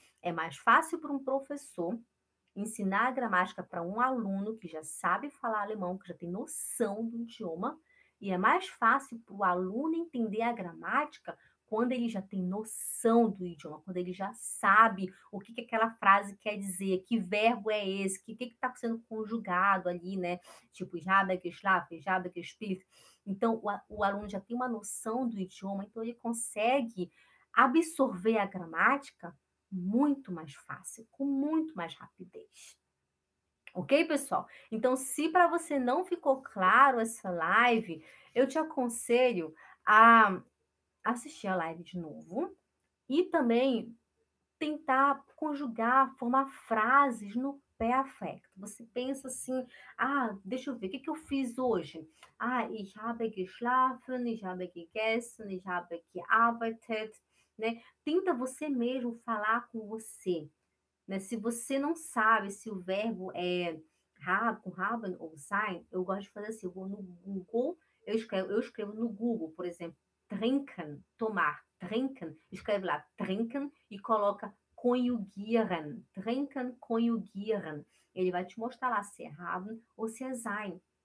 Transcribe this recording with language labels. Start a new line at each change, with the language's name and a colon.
Portuguese: É mais fácil para um professor ensinar a gramática para um aluno que já sabe falar alemão, que já tem noção do idioma, e é mais fácil para o aluno entender a gramática quando ele já tem noção do idioma, quando ele já sabe o que que aquela frase quer dizer, que verbo é esse, que está sendo conjugado ali, né?
German: Tipo, ich habe geschlafen, ich habe gespielt.
Portuguese: Então, o aluno já tem uma noção do idioma, então ele consegue absorver a gramática muito mais fácil, com muito mais rapidez. Ok, pessoal? Então, se para você não ficou claro essa live, eu te aconselho a assistir a live de novo e também tentar conjugar, formar frases no perfeito. Você pensa assim: ah, deixa eu ver, o que que eu fiz hoje?
German: Ah, ich habe geschlafen, ich habe gegessen, ich habe gearbeitet, né?
Portuguese: Tenta você mesmo falar com você, né? Se você não sabe se o verbo é haben ou sein, eu gosto de fazer assim: eu vou no Google, eu escrevo no Google, por exemplo. Trinken, tomar, trinken, escreve lá trinken e coloca konjugieren, trinken, konjugieren. Ele vai te mostrar lá se é haben ou se é sein.